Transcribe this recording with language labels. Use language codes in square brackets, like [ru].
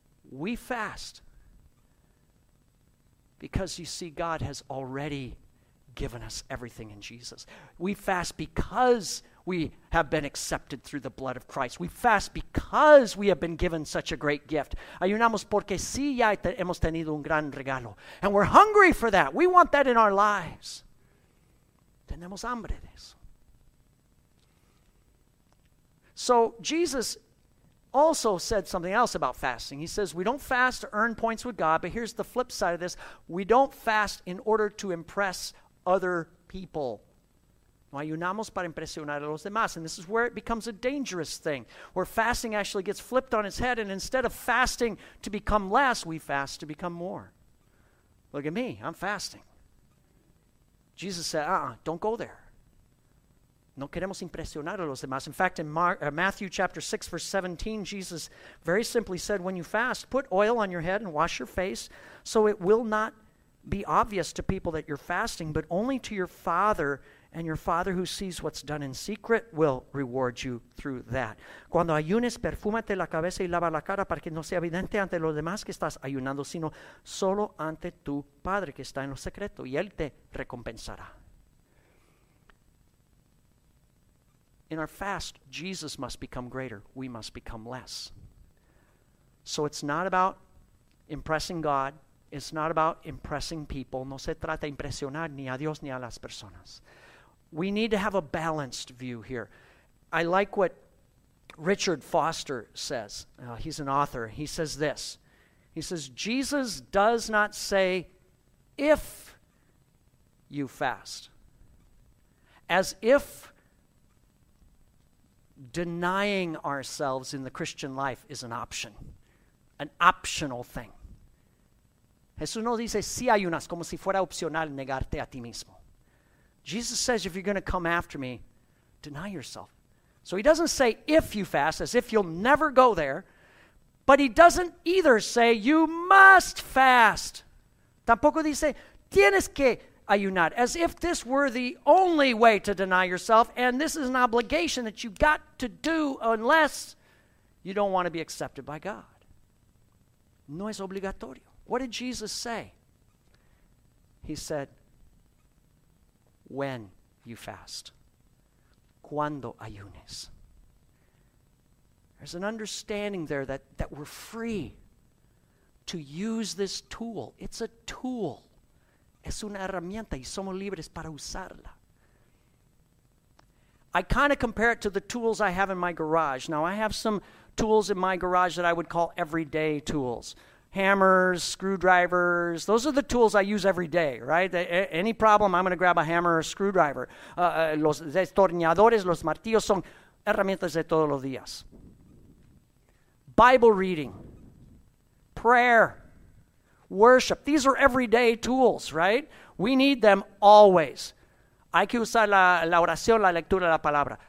[en] We fast because, you see, God has already given us everything in Jesus. We fast because we have been accepted through the blood of Christ. We fast because we have been given such a great gift. [es] Ayunamos porque sí ya hemos tenido un gran regalo. [en] And we're hungry for that. We want that in our lives. [es] Tenemos hambre de eso. [en] So Jesus also said something else about fasting. He says, we don't fast to earn points with God, but here's the flip side of this. We don't fast in order to impress other people. [es] No ayunamos para impresionar a los demás. [en] And this is where it becomes a dangerous thing, where fasting actually gets flipped on its head, and instead of fasting to become less, we fast to become more. Look at me, I'm fasting. Jesus said, don't go there. [es] No queremos impresionar a los demás. [en] In fact, in Matthew chapter 6, verse 17, Jesus very simply said, when you fast, put oil on your head and wash your face so it will not be obvious to people that you're fasting, but only to your Father, and your Father who sees what's done in secret will reward you through that. [es] Cuando ayunes, perfúmate la cabeza y lava la cara para que no sea evidente ante los demás que estás ayunando, sino solo ante tu Padre que está en lo secreto, y Él te recompensará. [en] In our fast, Jesus must become greater. We must become less. So it's not about impressing God. It's not about impressing people. [es] No se trata de impresionar ni a Dios ni a las personas. [en] We need to have a balanced view here. I like what Richard Foster says. He's an author. He says this. He says, Jesus does not say, if you fast, as if denying ourselves in the Christian life is an option, an optional thing. [es] Jesús no dice, si ayunas, como si fuera opcional negarte a ti mismo. [en] Jesus says, if you're going to come after me, deny yourself. So he doesn't say, if you fast, as if you'll never go there, but he doesn't either say, you must fast. [es] Tampoco dice, tienes que ayunar, [en] as if this were the only way to deny yourself, and this is an obligation that you've got to do unless you don't want to be accepted by God. [es] No es obligatorio. [en] What did Jesus say? He said, when you fast. [es] Cuando ayunes. [en] There's an understanding there that we're free to use this tool. It's a tool. [es] Es una herramienta y somos libres para usarla. [en] I kind of compare it to the tools I have in my garage. Now, I have some tools in my garage that I would call everyday tools. Hammers, screwdrivers, those are the tools I use every day, right? Any problem, I'm going to grab a hammer or a screwdriver. [es] Los destornilladores, los martillos son herramientas de todos los días. [en] Bible reading, prayer, worship, these are everyday tools, right? We need them always. [es] Hay que usar la oración, la lectura de la palabra.